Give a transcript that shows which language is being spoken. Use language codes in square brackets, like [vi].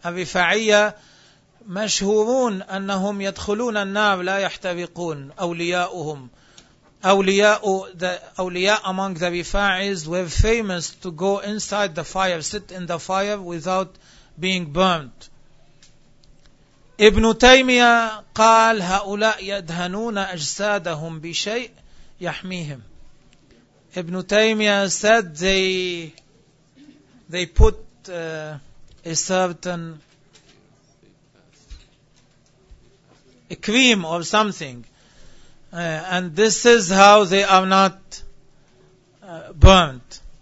[ar] الرفاعية مشهورون أنهم يدخلون النار لا يحترقون, أولياؤهم, أولياء [en] among the Rifa'is were famous to go inside the fire, sit in the fire without being burnt. [ar] Ibn Taymiyyah قال هؤلاء يدهنون أجسادهم بشيء يحميهم. [en] Ibn Taymiyyah said they put a certain a cream or something, and this is how they are not burnt.